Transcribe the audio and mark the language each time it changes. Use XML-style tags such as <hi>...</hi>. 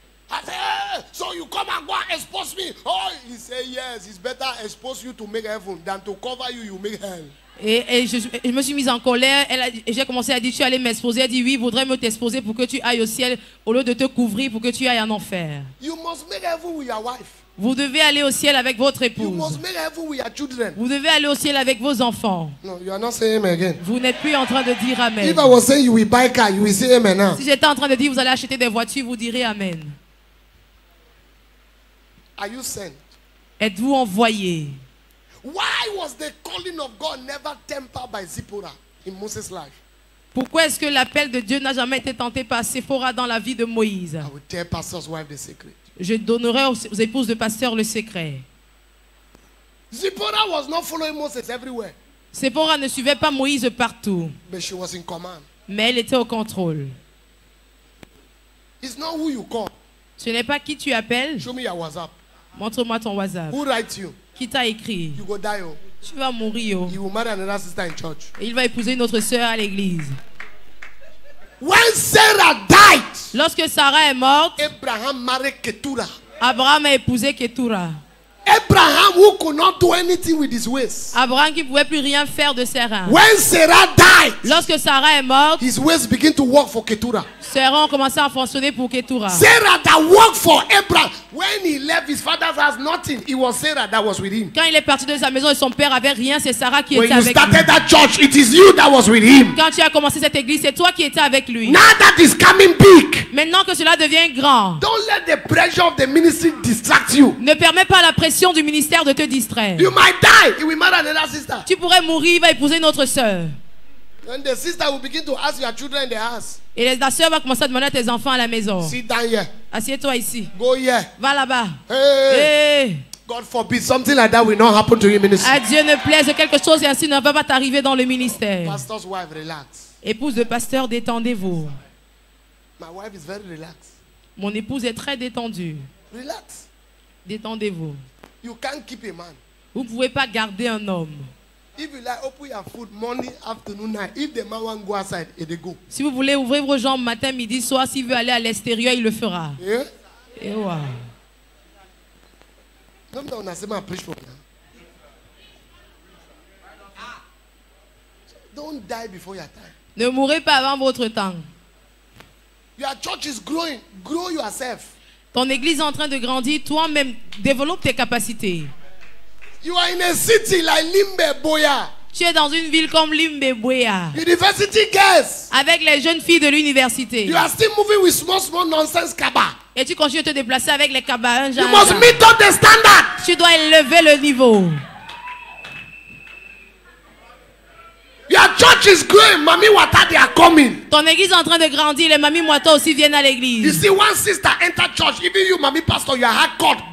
<en>I said, so you come and go and expose me? Oh, he said, yes, it's better expose you to make heaven than to cover you, you make hell.</en> <fr>Et je me suis mise en colère. J'ai commencé à dire, tu allais m'exposer. Elle dit, oui, voudrais me t'exposer pour que tu ailles au ciel au lieu de te couvrir pour que tu ailles en enfer.</fr> <en>You must make heaven with your wife.</en> <fr>Vous devez aller au ciel avec votre épouse.</fr> <en>You must make heaven with your children.</en> <fr>Vous devez aller au ciel avec vos enfants.</fr> <en>No, you are not saying amen again.</en> <fr>Vous n'êtes plus en train de dire amen.</fr> <en>If I was saying you will buy car, you will say amen now.</en> <fr>Si j'étais en train de dire vous allez acheter des voitures, vous direz amen.</fr> <en>Are you sent?</en> <fr>Êtes-vous envoyé?</fr> <en>Why was the calling of God never tempered by Zipporah in Moses' life?</en> <fr>Pourquoi est-ce que l'appel de Dieu n'a jamais été tenté par Séphora dans la vie de Moïse?</fr> <en>I will tell pastor's wife the secret.</en> <fr>Je donnerai aux épouses de pasteur le secret.</fr> <en>Zipporah was not following Moses everywhere.</en> <fr>Séphora ne suivait pas Moïse partout.</fr> <en>But she was in command.</en> <fr>Mais elle était au contrôle.</fr> <en>It's not who you call.</en> <fr>Ce n'est pas qui tu appelles.</fr> <en>Show me your WhatsApp.</en> <fr>Montre-moi ton WhatsApp.</fr> <en>Who writes you?</en> <fr>Qui t'a écrit?</fr> <en>You go die, oh.</en> <fr>Tu vas mourir. Oh.</fr> <en>He will marry another sister in church.</en> <fr>Et il va épouser une autre sœur à l'église.</fr> <en>When Sarah died,</en> <fr>lorsque Sarah est morte,</fr> <en>Abraham married Keturah.</en> <fr>Abraham a épousé Keturah.</fr> <en>Abraham who could not do anything with his waist.</en> <fr>Abraham qui pouvait plus rien faire de ses reins.</fr> <en>When Sarah died,</en> <fr>lorsque Sarah est morte,</fr> <en>his waist begin to work for Keturah.</en> <fr>Ses reins ont commencé à fonctionner pour Keturah.</fr> <en>Sarah that worked for Abraham. When he left his father's house, nothing. It was Sarah that was with him.</en> <fr>Quand il est parti de sa maison et son père avait rien, c'est Sarah qui</fr> <en>when</en> <fr>était avec lui.</fr> <en>When you started that church, it is you that was with him.</en> <fr>Quand tu as commencé cette église, c'est toi qui étais avec lui.</fr> <en>Now that is coming big.</en> <fr>Maintenant que cela devient grand.</fr> <en>Don't let the pressure of the ministry distract you.</en> <fr>Ne permets pas la pression du ministère de te distraire.</fr> <en>You might die. He will marry another sister.</en> <fr>Tu pourrais mourir, il va épouser une autre sœur.</fr> <en>And the sister will begin to ask your children in the house.</en> <fr>Et la sœur va commencer à demander à tes enfants à la maison.</fr> <en>Sit down here.</en> <fr>Assieds-toi ici.</fr> <en>Go here.</en> <fr>Va là-bas. Hey.</fr> <en>God forbid something like that will not happen to your ministry.</en> <fr>À Dieu ne plaise, quelque chose ainsi ne va pas t'arriver dans le ministère.</fr> <en>Pastor's wife, relax.</en> <fr>Épouse de pasteur, détendez-vous.</fr> <en>My wife is very relaxed.</en> <fr>Mon épouse est très détendue.</fr> <en>Relax.</en> <fr>Détendez-vous.</fr> <en>You can't keep a man.</en> <fr>Vous ne pouvez pas garder un homme.</fr> <en>If you like, open your food morning, afternoon, night. If the man want go outside, he dey go.</en> <fr>Si vous voulez ouvrir vos jambes matin, midi, soir, s'il veut aller à l'extérieur, il le fera.</fr> <en>Yeah.</en> <fr>Et ouais.</fr> <en>Don't die before your time.</en> <fr>Ne mourrez pas avant votre temps.</fr> <en>Your church is growing. Grow yourself.</en> <fr>Ton église est en train de grandir, toi-même développe tes capacités.</fr> <en>You are in a city like Limbe Boya.</en> <fr>Tu es dans une ville comme Limbe Boya.</fr> <en>University girls.</en> <fr>Avec les jeunes filles de l'université.</fr> <en>You are still moving with small, small nonsense kaba.</en> <fr>Et tu continues de te déplacer avec les kaba.</fr> <en>You must genre. Meet up the standard.</en> <fr>Tu dois élever le niveau.</fr> <en>Your church is growing. Mami Wata, they are coming.</en> <fr>Ton église est en train de grandir. Les mamies Wata aussi viennent à l'église.</fr> <en>You see one sister enter church. Even you, mami pastor, your heart caught.</en>